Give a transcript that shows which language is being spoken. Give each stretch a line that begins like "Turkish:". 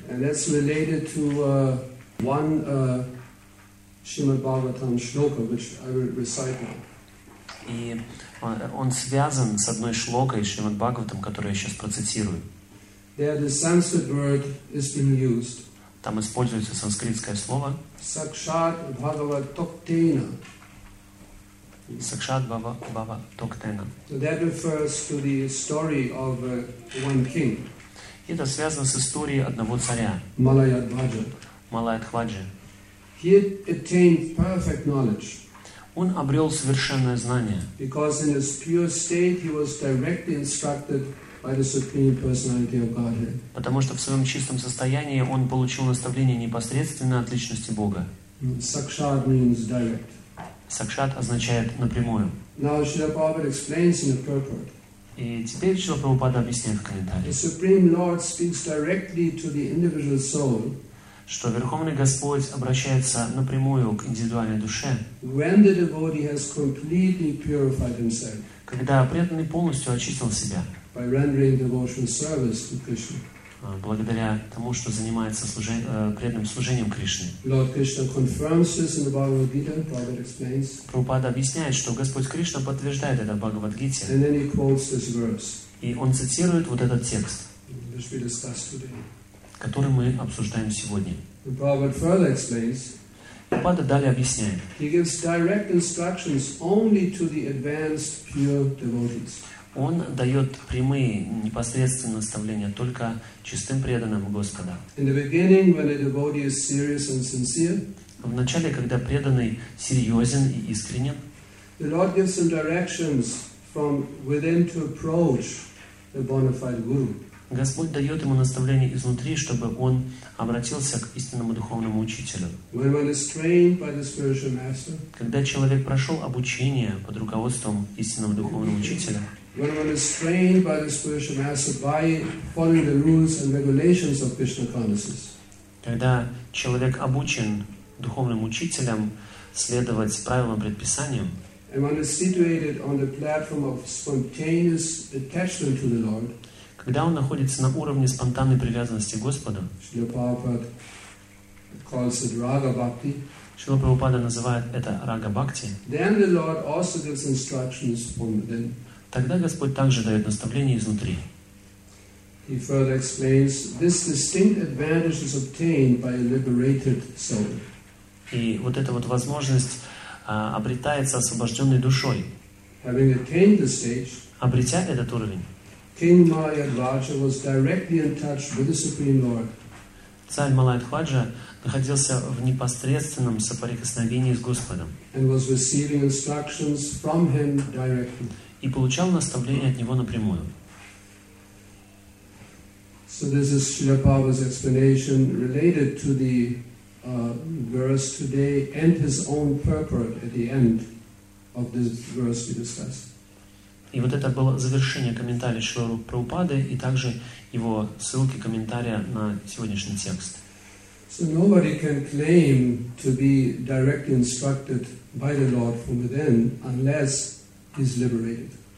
English: And that's related to one Shrimad Bhagavatam shloka, which I will recite now.
Russian: И он связан с одной шлокой Шримад Бхагаватам, которую я сейчас процитирую.
English: There the Sanskrit word is being used.
Russian: Там используется санскритское слово.
Sanskrit: Sakshat Bhagavat Toktena. Сакшат Бхава Бхава Токтена.
English: That refers to the story of one king.
Russian: Это связано с историей одного царя. Малаядхваджа. Малаядхваджа.
English: He attained perfect knowledge.
Russian: Он обрел совершенное знание.
English: Because in his pure state he was directly instructed by the Supreme Personality of Godhead.
Russian: Потому что в своем чистом состоянии он получил наставление непосредственно от личности Бога.
English: Сакшат means direct.
Russian: Сакшат означает напрямую.
English: Now, Srila Prabhupada explains in the purport.
Russian: И теперь Шрила Прабхупада объясняет в комментарии.
English: The Supreme Lord speaks directly to the individual soul.
Russian: Что Верховный Господь обращается напрямую к индивидуальной душе.
English: When the devotee has completely purified himself.
Russian: Когда преданный полностью очистил себя.
English: By rendering devotional service to Krishna.
Russian: благодаря тому, что занимается преданным служением Кришне.
English: Lord Krishna confirms this in the Bhagavad Gita. Prabhupada explains.
Russian: Прабхупада объясняет, что Господь Кришна подтверждает это в Бхагавад-гите.
English: And then he quotes this verse.
Russian: И он цитирует вот этот текст,
English: which we discussed today.
Russian: Который мы обсуждаем сегодня.
English: The Prabhupada further explains.
Russian: Прабхупада далее объясняет.
English: He gives direct instructions only to the advanced pure devotees.
Russian: Он дает прямые, непосредственные наставления только чистым преданным Господа. В начале, когда преданный серьезен и искренен, Господь дает ему наставление изнутри, чтобы он обратился к истинному духовному учителю. Когда человек прошел обучение под руководством истинного духовного учителя,
English: when one is trained by the spiritual master by following the rules and regulations of Krishna consciousness.
Russian: Когда человек обучен духовным учителем следовать правилам и предписаниям.
English: And one is situated on the platform of spontaneous attachment to the Lord.
Russian: Когда он находится на уровне спонтанной привязанности к Господу.
English: Srila Prabhupada calls it Raga Bhakti.
Russian: Шрила Прабхупада называет это Рага Бхакти.
English: Then the Lord also gives instructions from within.
Russian: Тогда Господь также дает наставление изнутри.
English: He further explains this distinct advantage is obtained by a liberated soul.
Russian: И вот эта вот возможность обретается освобожденной душой.
English: Having attained the stage,
Russian: обретя этот уровень,
English: King Malayadvaja was directly in touch with the Supreme Lord.
Russian: Царь Малайадхваджа находился в непосредственном соприкосновении с Господом.
English: And was receiving instructions from him directly.
Russian: И получал наставление от него напрямую.
English: So this is Srila Prabhupada's explanation related to the verse today and his own purport at the end of this verse we discussed.
Russian: И вот это было завершение комментария Шрила Прабхупады и также его ссылки комментария на сегодняшний текст.
English: So nobody can claim to be directly instructed by the Lord from within unless he's liberated.